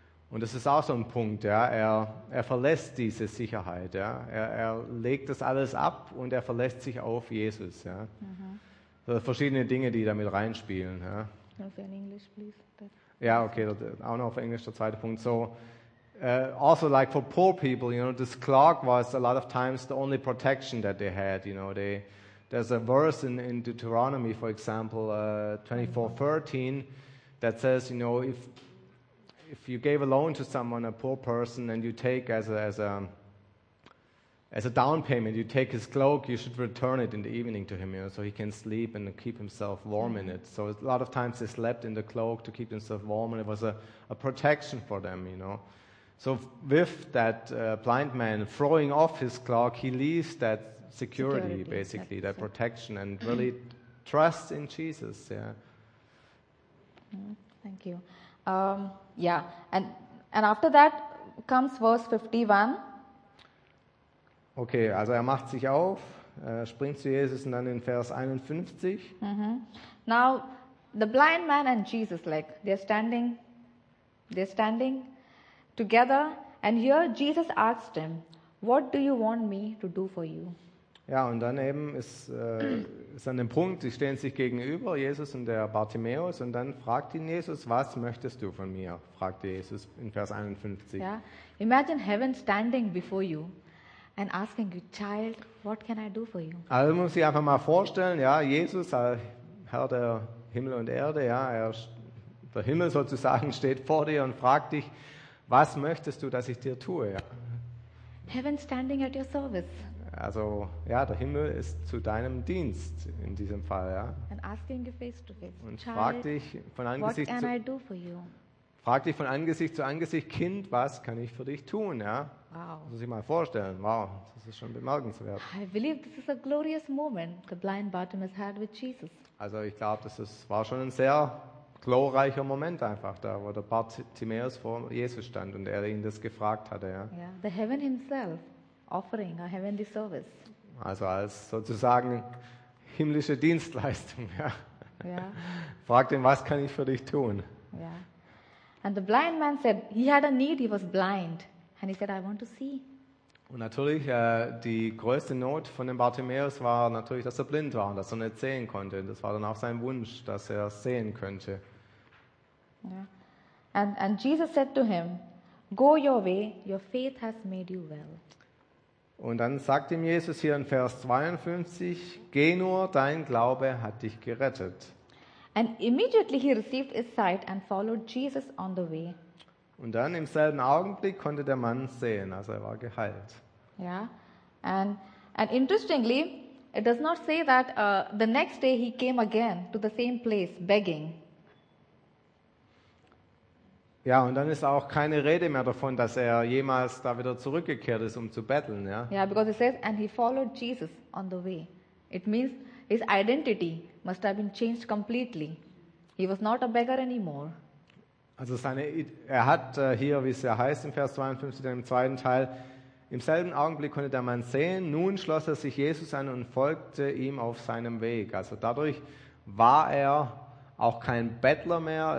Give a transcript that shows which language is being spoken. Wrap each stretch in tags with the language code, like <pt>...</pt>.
<de>Und das ist auch so ein Punkt, ja. Er verlässt diese Sicherheit. Ja. Er legt das alles ab und er verlässt sich auf Jesus. Ja. Mhm. Verschiedene Dinge, die damit reinspielen. Ja.</de> <en>Also in English, please.</en> <de>Ja, okay, auch noch auf Englisch der zweite Punkt.</de> <en>So, also like for poor people, you know, this cloak was a lot of times the only protection that they had. You know, there's a verse in Deuteronomy, for example, 24:13, that says, you know, if you gave a loan to someone, a poor person, and you take as a down payment, you take his cloak, you should return it in the evening to him, you know, so he can sleep and keep himself warm in it. So a lot of times they slept in the cloak to keep themselves warm, and it was a protection for them, you know. So with that blind man throwing off his cloak, he leaves that security basically, that protection, and really trusts in Jesus, yeah. Thank you. Yeah, and after that comes verse 51.</en> <de>Okay, also er macht sich auf, springt zu Jesus und dann in Vers 51.</de> <en>Mm-hmm. Now, the blind man and Jesus, like, they're standing They're standing together and here Jesus asks them, "What do you want me to do for you?"</en> <de>Ja, und dann eben ist an dem Punkt, sie stehen sich gegenüber, Jesus und der Bartimäus, und dann fragt ihn Jesus, was möchtest du von mir? Fragt Jesus in Vers 51.</de> <en>Yeah. Imagine heaven standing before you and asking you, child, what can I do for you?</en> <de>Also muss ich einfach mal vorstellen, ja, Jesus, Herr der Himmel und Erde, ja, der Himmel sozusagen steht vor dir und fragt dich, was möchtest du, dass ich dir tue? Ja.</de> <en>Heaven standing at your service.</en> <de>Also, ja, der Himmel ist zu deinem Dienst in diesem Fall, ja.</de> <en>And asking you face to face.</en> <de>Und fragt dich von Angesicht zu Angesicht.</de> <en>What can I do for you?</en> <de>Frag dich von Angesicht zu Angesicht, Kind, was kann ich für dich tun, ja? Wow. Muss ich mal vorstellen. Wow, das ist schon bemerkenswert.</de> <en>I believe this is a glorious moment the blind Bartimaeus had with Jesus.</en> <de>Also, ich glaube, war schon ein sehr glorreicher Moment einfach, da wo der Bartimaeus vor Jesus stand und er ihn das gefragt hatte, ja.</de> <en>Yeah. The heaven himself. Offering a heavenly service.</en> <de>Also als sozusagen himmlische Dienstleistung. Ja.</de> <en>Yeah.</en> <de>Frag ihn, was kann ich für dich tun?</de> <en>Yeah. And the blind man said, he had a need, he was blind, and he said, I want to see.</en> <de>Und natürlich die größte Not von dem Bartimäus war natürlich, dass er blind war und dass er nicht sehen konnte. Das war dann auch sein Wunsch, dass er sehen könnte.</de> <en>Yeah. And Jesus said to him, go your way, your faith has made you well.</en> <de>Und dann sagt ihm Jesus hier in Vers 52, geh nur, dein Glaube hat dich gerettet.</de> <en>And immediately he received his sight and followed Jesus on the way.</en> <de>Und dann im selben Augenblick konnte der Mann sehen, also er war geheilt. Ja, yeah.</de> <en>And interestingly, it does not say that the next day he came again to the same place begging.</en> <de>Ja, und dann ist auch keine Rede mehr davon, dass er jemals da wieder zurückgekehrt ist, um zu betteln, ja?</de> <en>Yeah, because it says, and he followed Jesus on the way. It means his identity must have been changed completely. He was not a beggar anymore.</en> <de>Also er hat hier, wie es ja heißt im Vers 52, dann im zweiten Teil, im selben Augenblick konnte der Mann sehen, nun schloss er sich Jesus an und folgte ihm auf seinem Weg. Also dadurch war er auch kein Bettler mehr.</de>